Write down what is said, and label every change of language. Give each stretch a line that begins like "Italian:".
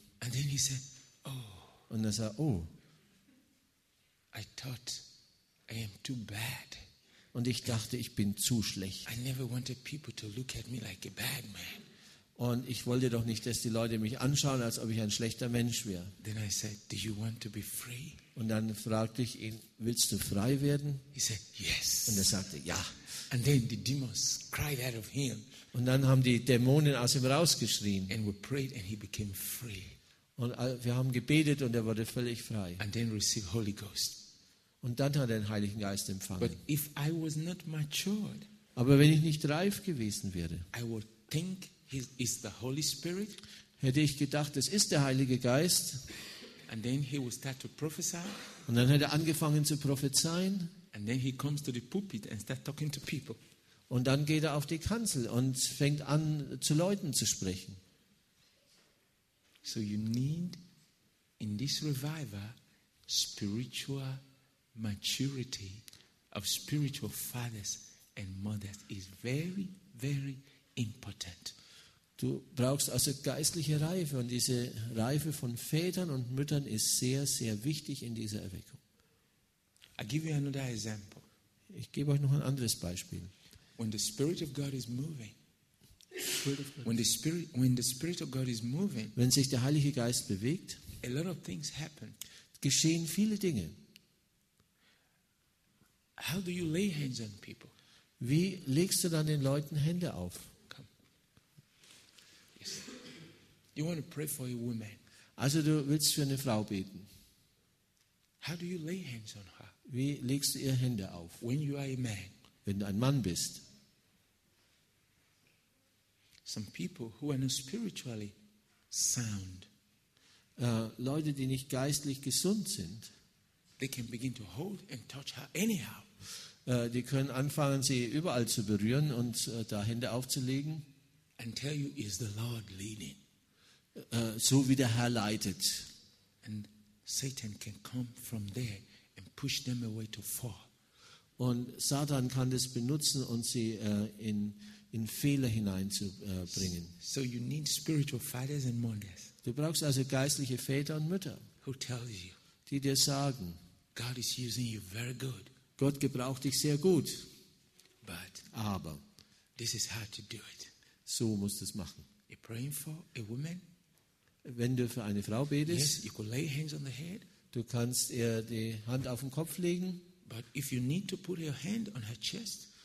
English: And then he said, oh.
German: Und er sagt, oh.
English: I thought I am too bad.
German: Und ich dachte, ich bin zu schlecht.
English: I never wanted people to look at me like a bad man.
German: Und ich wollte doch nicht, dass die Leute mich anschauen, als ob ich ein schlechter Mensch wäre.
English: Then I said, do you want to be free?
German: Und dann fragte ich ihn, willst du frei werden?
English: He said, yes.
German: Und er sagte, ja.
English: And then the demons cried out of him.
German: Und dann haben die Dämonen aus ihm rausgeschrien.
English: And we prayed and he became free.
German: Und wir haben gebetet und er wurde völlig frei.
English: And then received Holy Ghost.
German: Und dann hat er den Heiligen Geist empfangen.
English: But if I was not matured,
German: aber wenn ich nicht reif gewesen wäre,
English: I would think he is the Holy Spirit.
German: Hätte ich gedacht, es ist der Heilige Geist.
English: And then he would start to prophesy.
German: Und dann hat er angefangen zu prophezeien.
English: And then he comes to the pulpit and start talking to people.
German: Und dann geht er auf die Kanzel und fängt an, zu Leuten zu sprechen.
English: So you need in this revival spiritual maturity of spiritual fathers and mothers is very, very important.
German: Du brauchst also geistliche Reife und diese Reife von Vätern und Müttern ist sehr, sehr wichtig in dieser Erweckung.
English: I give you another example.
German: Ich gebe euch noch ein anderes Beispiel.
English: When the Spirit of God is moving, when the Spirit of God is moving,
German: wenn sich der Heilige Geist bewegt,
English: a lot of things happen.
German: Geschehen viele Dinge.
English: How do you lay hands on people?
German: Wie legst du dann den Leuten Hände auf?
English: You want to pray for a woman.
German: Also du willst für eine Frau beten.
English: How do you lay hands on her?
German: Wie legst du ihr Hände auf?
English: When you are a man.
German: Wenn du ein Mann bist.
English: Some people who are not spiritually sound.
German: Leute, die nicht geistlich gesund sind.
English: They can begin to hold and touch her anyhow.
German: Die können anfangen, sie überall zu berühren und da Hände aufzulegen.
English: And tell you is the Lord leading.
German: So wie der Herr leitet.
English: And Satan can come from there and push them away to fall.
German: Und Satan kann das benutzen und sie in Fehler hineinzubringen.
English: So you need spiritual fathers and mothers.
German: Du brauchst also geistliche Väter und Mütter.
English: Who tells you?
German: Die dir sagen.
English: God is using you very good.
German: Gott gebraucht dich sehr gut.
English: But
German: aber
English: this is how to do it.
German: So musst du es machen.
English: You're praying for a woman?
German: Wenn du für eine Frau betest,
English: yes, you could lay hands on the head.
German: Du kannst ihr die Hand auf den Kopf legen.
English: But if you need to put your hand on her chest,